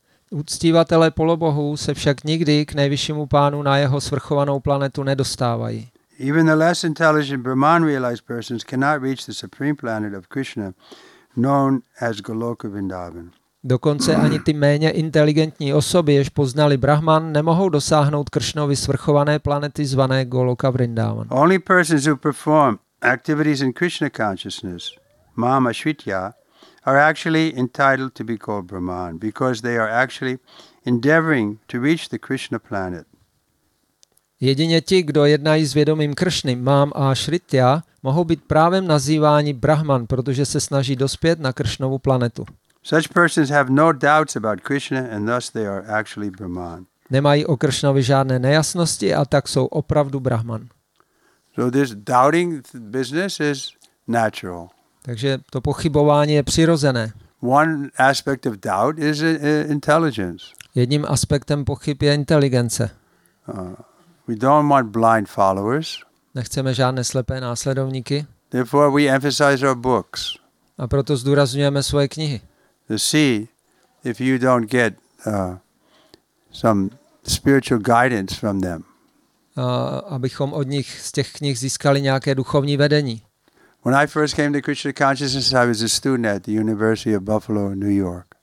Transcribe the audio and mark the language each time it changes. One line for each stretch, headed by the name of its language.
Czech: Uctívatelé polobohů se však nikdy k nejvyššímu pánu na jeho svrchovanou planetu nedostávají.
English: Even the less intelligent Brahman realized persons cannot reach the supreme planet of Krishna, known as Goloka Vrindavan.
Czech: Dokonce ani ty méně inteligentní osoby, jež poznali Brahman, nemohou dosáhnout Kršnovy svrchované planety zvané Goloka Vrindavan.
English: Only persons who perform activities in Krishna consciousness, Mama Shritya, are actually entitled to be called Brahman because they are actually endeavoring to reach the Krishna planet.
Czech: Jedině ti, kdo jednají s vědomím Kršny, Mám a Shritya, mohou být právem nazýváni Brahman, protože se snaží dospět na Kršnovu planetu.
English: Such persons have no doubts about Krishna and thus they are actually Brahman.
Czech: Nemají o Kršnovi žádné nejasnosti a tak jsou opravdu Brahman.
English: So this doubting business is natural.
Czech: Takže to pochybování je přirozené.
English: One aspect of doubt is intelligence.
Czech: Jedním aspektem pochyb je inteligence.
English: We don't want blind followers.
Czech: Nechceme žádné slepé následovníky.
English: Therefore we emphasize our books.
Czech: A proto zdůrazňujeme svoje knihy.
English: To see if you don't get some spiritual guidance from them.
Czech: Abychom od nich z těch knih získali nějaké duchovní vedení.
English: When I first came to Krishna consciousness, I was a student at the University of Buffalo, New York.